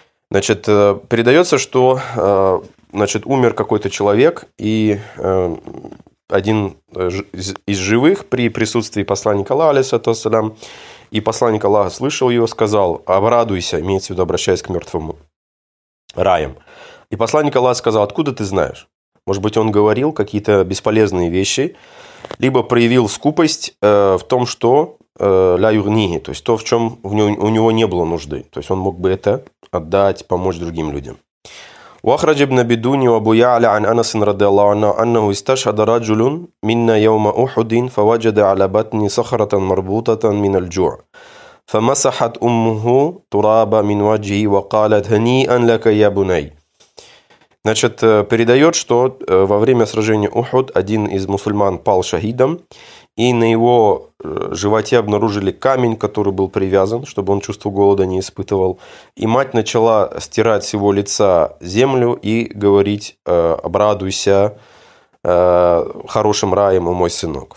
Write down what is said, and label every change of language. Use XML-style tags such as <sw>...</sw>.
<ru>Значит, передается, что умер какой-то человек, и один из живых при присутствии посланника Аллаха, алейхиссалату вассалям, и посланник Аллаха слышал его, сказал: «Обрадуйся», имеется в виду, обращаясь к мертвому, раем. И посланник Аллаха сказал: «Откуда ты знаешь?» Может быть, он говорил какие-то бесполезные вещи, либо проявил скупость в том, что ля югнии, то есть то, в чем у него не было нужды. То есть он мог бы это отдать, помочь другим людям.</ru> <ar>وخرج ابن بدون وابو يعلى عن انس رضي الله عنه انه استشهد رجل منا يوم احد فوجد على بطن صخره مربوطه من الجوع فمسحت امه ترابا من وجهه وقالت هنيئا لك يا بني.</ar> <ru>Значит, передает, что во время сражения Ухуд один из мусульман пал шахидом, и на его животе обнаружили камень, который был привязан, чтобы он чувство голода не испытывал. И мать начала стирать с его лица землю и говорить: «Обрадуйся хорошим раем, о мой сынок».</ru>